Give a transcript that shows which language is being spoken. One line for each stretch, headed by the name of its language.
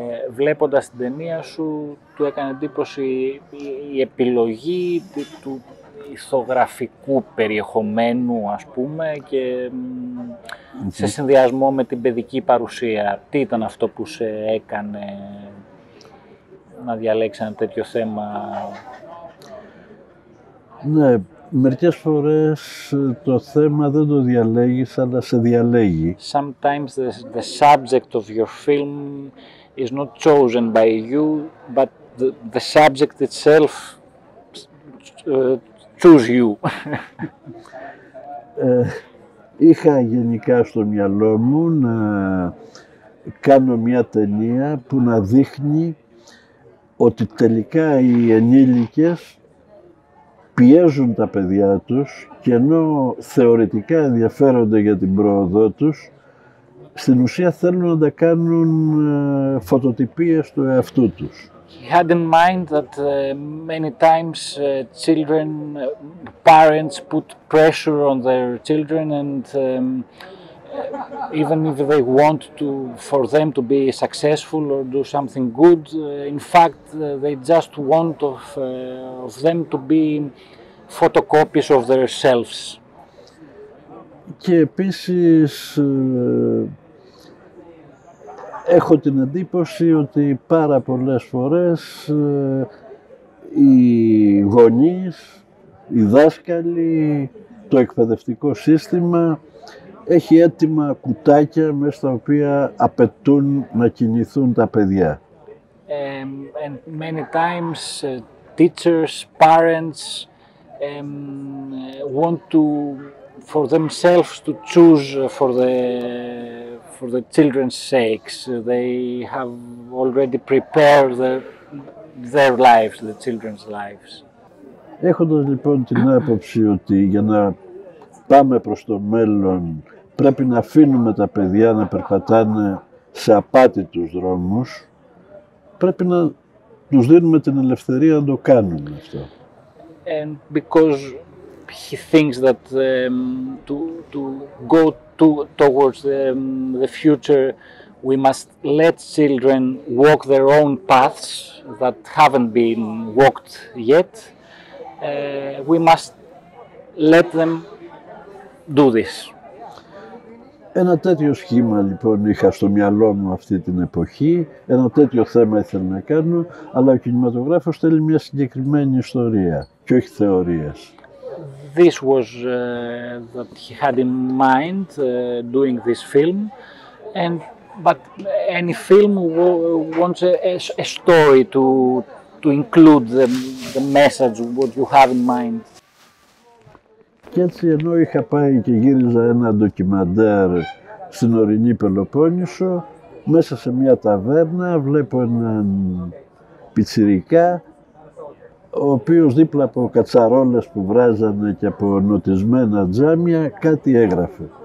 Greek: Βλέποντας την ταινία σου, του έκανε εντύπωση η επιλογή του ηθογραφικού περιεχομένου, ας πούμε, και σε συνδυασμό με την παιδική παρουσία. Τι ήταν αυτό που σε έκανε να διαλέξει ένα τέτοιο θέμα? Ναι, μερικές φορές το θέμα δεν το διαλέγεις, αλλά σε διαλέγει.
English: Sometimes the subject of your film is not chosen by you, but the subject itself choose you.
Greek: Είχα γενικά στο μυαλό μου να κάνω μια ταινία που να δείχνει ότι τελικά οι ενήλικες πιέζουν τα παιδιά τους και ενώ θεωρητικά ενδιαφέρονται για την πρόοδό τους, στην ουσία θέλουν να τα κάνουν φωτοτυπίες του εαυτού τους.
English: He had in mind that many times children, parents put pressure on their children and even if they want to, for them to be successful or do something good, in fact they just want of them to be photocopies of themselves.
Greek: Και επίσης έχω την εντύπωση ότι πάρα πολλές φορές οι γονείς, οι δάσκαλοι, το εκπαιδευτικό σύστημα έχει έτοιμα κουτάκια μέσα στα οποία απαιτούν να κινηθούν τα παιδιά.
English: And many times teachers, parents want to for themselves to choose for the children's sakes. They have already prepared their lives, the children's lives.
Greek: Έχοντας λοιπόν την άποψη ότι για να πάμε προς το μέλλον πρέπει να αφήνουμε τα παιδιά να περπατάνε σε απάτητους δρόμους, πρέπει να τους δίνουμε την ελευθερία να το κάνουν αυτό.
English: And because he thinks that to go to, towards the future, we must let children walk their own paths that haven't been walked yet, we must let them do this.
Greek: Ένα τέτοιο σχήμα λοιπόν είχα στο μυαλό μου αυτή την εποχή, ένα τέτοιο θέμα ήθελα να κάνω, αλλά ο κινηματογράφος θέλει μια συγκεκριμένη ιστορία και όχι θεωρίες.
English: This was that he had in mind doing this film, and but any film wants a story to include the message what you have in mind.
Greek: Και έτσι, ενώ είχα πάει και γύριζα ένα ντοκιμαντέρ στην ορεινή Πελοπόννησο, μέσα σε μια ταβέρνα βλέπω έναν πιτσιρικά, ο οποίος δίπλα από κατσαρόλες που βράζανε και από νοτισμένα τζάμια, κάτι έγραφε.